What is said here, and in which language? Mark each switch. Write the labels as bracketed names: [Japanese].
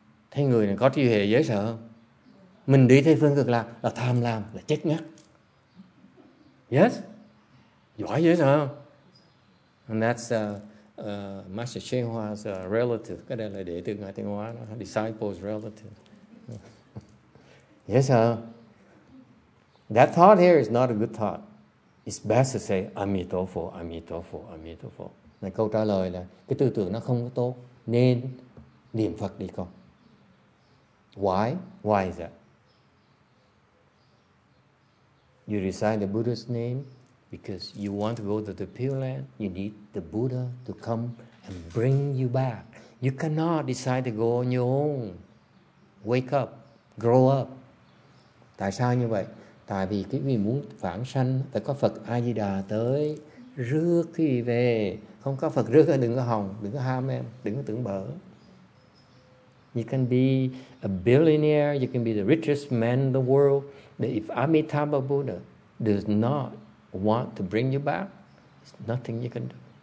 [Vietnamese] Thấy người này có trí hệ dễ sợ không? Mình đi theo phương cực lạc là tham lam, là chết ngắt. Yes? Giỏi dễ sợ không? [English] And that's Master Cheng Hoa's relative. [Vietnamese] Cái đây là đệ tử Ngài Tinh Hoa. [English] Disciple's relative. [Vietnamese] Dễ sợ không? [English] That thought here is not a good thought. It's best to say, Amitofo, Amitofo, Amitofo. [Vietnamese] Này, câu trả lời là, cái tư tưởng nó không có tốt, nên niệm Phật đi con. [English] Why? Why is that? You recite the Buddha's name because you want to go to the Pure Land. You need the Buddha to come and bring you back. You cannot decide to go on your own. Wake up. Grow up. [Vietnamese] Tại sao như vậy? Tại vì cái vị muốn vãng sanh phải có Phật A Di Đà tới rước thì về, không có Phật rước đừng có hòng, đừng có ham em, đừng có tưởng bở. [English] You can be a billionaire, you can be the richest man in the world, but if Amitabha Buddha does not want to bring you back, there's nothing you can do.